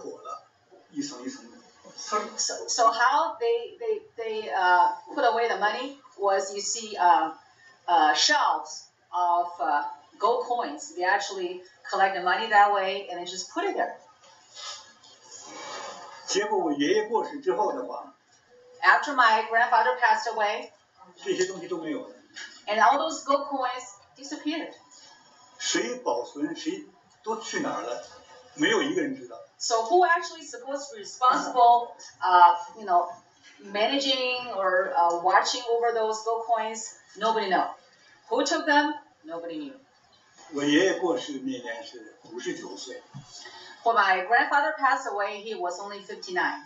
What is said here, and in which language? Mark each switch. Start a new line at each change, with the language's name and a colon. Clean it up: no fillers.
Chinese: 他说，存放钱是放什么？就像放药一样的，是有一木头架，上面都是编织的竹子编织的一个钱的，我们就破了，一层一层的。
English: So how they put away the money was you see shelves of gold coins. They actually collect the money that way and they just put it there.
Chinese: 结果我爷爷过世之后的话。
English: After my grandfather passed away,
Chinese: 这些东西都没有了。
English: And all those gold coins disappeared.
Chinese: 谁保存，谁都去哪儿了，没有一个人知道。
English: So who actually supposed to be responsible, you know, managing or watching over those gold coins? Nobody know. Who took them? Nobody knew.
Chinese: 我爷爷过世那年是59岁。
English: When my grandfather passed away, he was only 59.